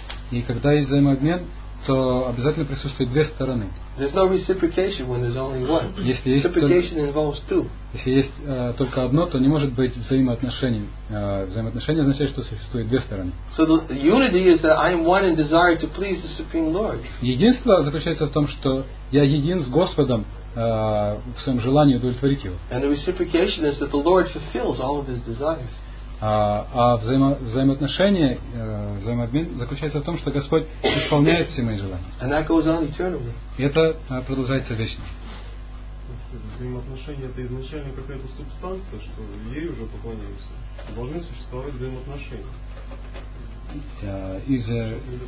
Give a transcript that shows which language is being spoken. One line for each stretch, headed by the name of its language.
Russian: И когда есть взаимообмен, то обязательно присутствуют две стороны.
English: There's no reciprocation when there's only one.
Russian: Если
English: reciprocation
Russian: есть,
English: involves two.
Russian: Если есть только одно, то не может быть взаимоотношений. Взаимоотношения означает, что существует две стороны.
English: So the unity is that I am one in desire to please the Supreme Lord.
Russian: Единство заключается в том, что я един с Господом. В своем желании удовлетворить его.
English: And the reciprocation is that the Lord fulfills all of his desires.
Russian: Взаимоотношение, взаимообмен заключается в том, что Господь исполняет все мои желания.
English: And that goes on eternally.
Russian: Это продолжается вечно. Взаимоотношения — это изначально какая-то субстанция, что ей уже поклоняемся. Должны существовать взаимоотношения.